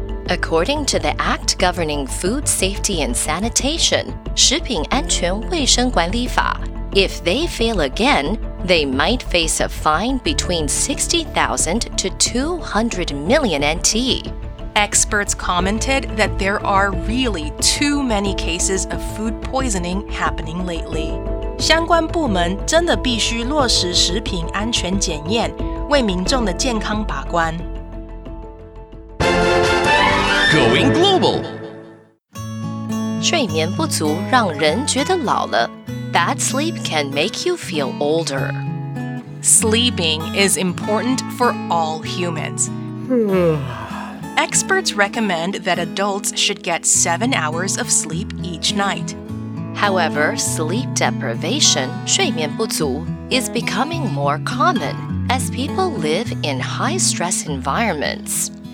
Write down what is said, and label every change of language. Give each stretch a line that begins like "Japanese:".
English: According to the Act Governing Food Safety and Sanitation, 食品安全卫生管理法, if they fail again, they might face a fine between 60,000 to 200 million NT. Experts commented that there are really too many cases of food poisoning happening lately.
Chinese: 相关部门真的必须落实食品安全检验,为民众的健康把关。
English: Going global.
Chinese: 睡眠不足让人觉得老了。
English: Bad sleep can make you feel older. Sleeping is important for all humans. Experts recommend that adults should get 7 hours of sleep each night. However, sleep deprivation, 睡眠不足, is becoming more common as people live in high-stress environments.